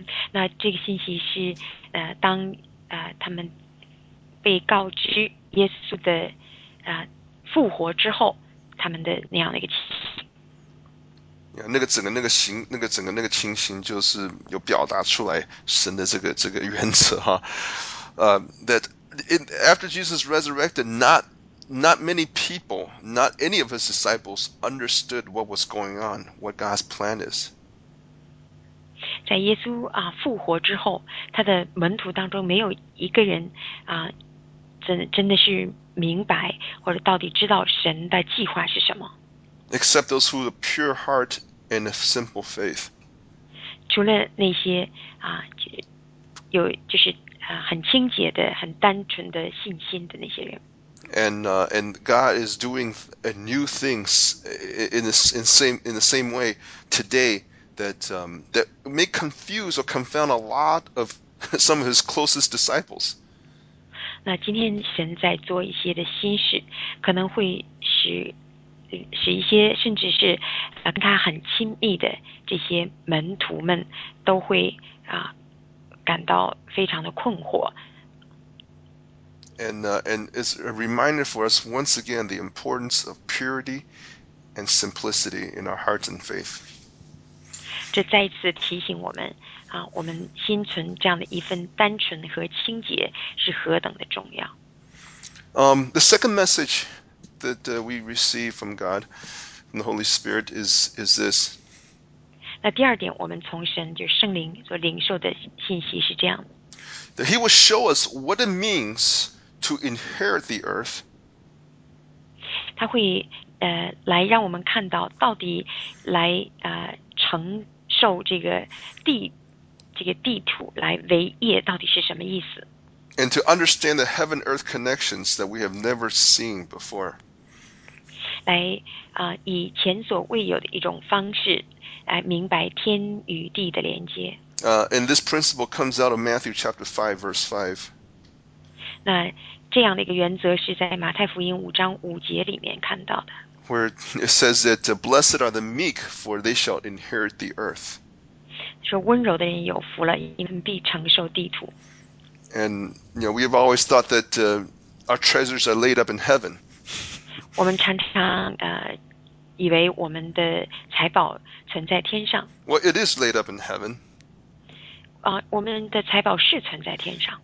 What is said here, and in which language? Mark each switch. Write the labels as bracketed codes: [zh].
[zh] 那这个信息是当他们被告知耶稣的复活之后，他们的那样的一个情形。 Yeah, 那个情形就是有表达出来神的这个原则哈。 [en] That it, after Jesus resurrected, not many people, not any of his disciples, understood what was going on, what God's plan is. [zh] 在耶稣复活之后，他的门徒当中没有一个人真的是明白或者到底知道神的计划是什么。 [en] Except those who have a pure heart and a simple faith. [zh] 除了那些有就是很清洁的、很单纯的信心的那些人。 [en] And God is doing a new thing in the same way today that may confuse or confound a lot of some of his closest disciples. [zh] 那今天神在做一些的心事，可能会使一些甚至是跟他很亲密的这些门徒们都会感到非常的困惑。 [en] And it's a reminder for us once again the importance of purity and simplicity in our hearts and faith. [zh] 这再一次提醒我们啊，我们心存这样的一份单纯和清洁是何等的重要。 [en] The second message that we receive from God, from the Holy Spirit, is this. [zh] 那第二点，我们从神就是圣灵所领受的信息是这样的。 [en] That He will show us what it means. To inherit the earth, [zh] 他会来让我们看到到底来承受这个地土来为业到底是什么意思。 [en] And to understand the heaven-earth connections that we have never seen before, [zh] 来以前所未有的一种方式来明白天与地的连接。 [en] And this principle comes out of Matthew chapter 5, verse 5. [zh] 那这样的一个原则是在马太福音五章五节里面看到的。 [en] Where it says that blessed are the meek, for they shall inherit the earth. [zh] 说温柔的人有福了，因为必承受地土。 [en] And you know, we have always thought that our treasures are laid up in heaven. [zh] 我们常常以为我们的财宝存在天上。 [en] Well, it is laid up in heaven. [zh] 我们的财宝是存在天上。